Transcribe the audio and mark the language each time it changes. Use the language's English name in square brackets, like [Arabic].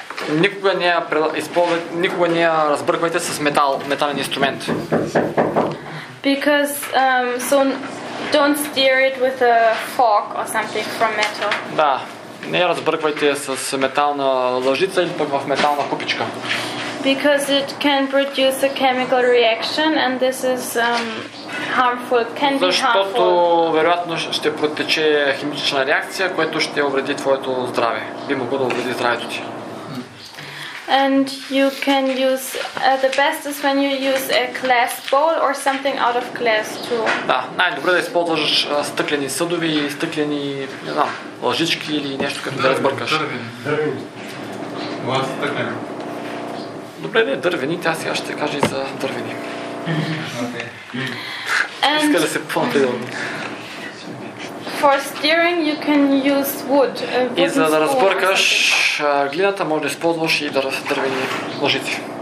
[Bulgarian] никога не я използвайте, никога не я разбърквайте с метал, метален инструмент. [English] Because so don't stir it with a fork or something from metal. [Bulgarian] Да. Не я разбърквайте с метална лъжица или пък в метална купичка. [English] Because it can produce a chemical reaction and this is harmful, can be harmful. [Bulgarian] Защото вероятно ще протече химична реакция, която ще увреди твоето здраве. Би могло да увреди здравето ти. [English] And you can use the best is when you use a glass bowl or something out of glass too. [Bulgarian] Да, най-добре да използваш стъклени съдове, стъклени, не знам, лъжички или нещо като да разбъркаш. Дървени. Стъклени. Добре, не, дървени, тя сега ще кажа и за дървени. [English] Okay. [Bulgarian] Иска да се по-напределно. [English] For steering you can use wood. [Bulgarian] И за да разбъркаш глината може да използваш и дървени лъжици.